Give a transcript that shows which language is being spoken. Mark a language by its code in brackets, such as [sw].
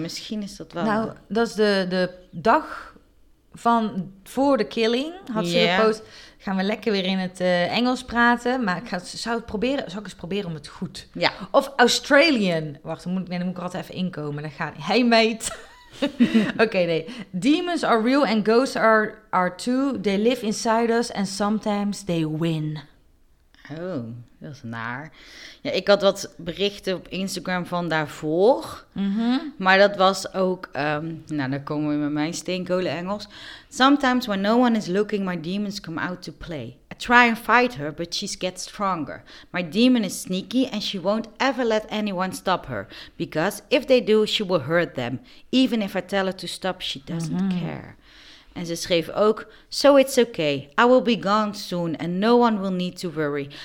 [nl] Misschien is dat wel... Nou, dat is de dag van voor de killing. Had ze de post... Gaan we lekker weer in het Engels praten. Maar zou ik eens proberen om het goed. Ja. Of Australian. Wacht, dan moet ik er altijd even inkomen. Dan gaat hij. [en] Hey, mate. [nl] Oké, nee. [en] Demons are real and ghosts are too. They live inside us and sometimes they win. [nl] Oh, dat is naar. Ja, ik had wat berichten op Instagram van daarvoor. Mm-hmm. Maar dat was ook... nou, dan komen we met mijn steenkolen Engels. [en] Sometimes when no one is looking, my demons come out to play. I try and fight her, but she gets stronger. My demon is sneaky and she won't ever let anyone stop her. Because if they do, she will hurt them. Even if I tell her to stop, she doesn't care. [nl] En ze schreef ook, [en] so it's okay, I will be gone soon and no one will need to worry.